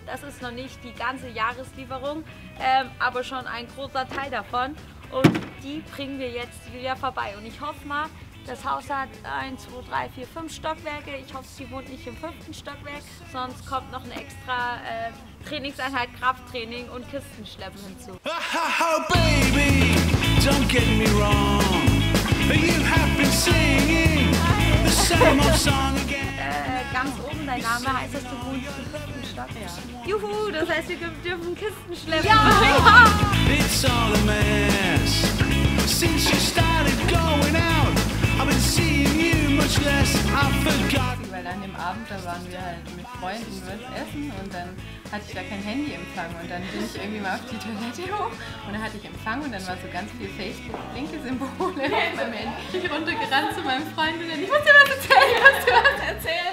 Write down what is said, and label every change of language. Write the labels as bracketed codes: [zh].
[de] Das ist noch nicht die ganze Jahreslieferung, aber schon ein großer Teil davon. Und die bringen wir jetzt Julia vorbei. Und ich hoffe mal, das Haus hat 1, 2, 3, 4, 5 Stockwerke. Ich hoffe, sie wohnt nicht im 5. Stockwerk. Sonst kommt noch eine extra Trainingseinheit, Krafttraining und Kistenschleppen hinzu. [en] Ha, ha, ha, baby, don't get me wrong. You have been singing the same old song again. [de] Ganz oben dein Name heißt, dass du wohnst im 5. Stockwerk. Juhu, das heißt, wir dürfen Kisten schleppen. [en] Ja! It's all a mess. Since you started going out, I've been seeing you much less. I've forgotten. [de] Weil an dem Abend, da waren wir halt mit Freunden was essen und dann hatte ich da kein Handy Empfang und dann bin ich irgendwie mal auf die Toilette hoch und dann hatte ich Empfang und dann war so ganz viel Facebook-Linke-Symbole auf meinem Handy. Ich runtergerannt zu meinem Freund und dann, ich muss dir was erzählen, ich muss dir was erzählen.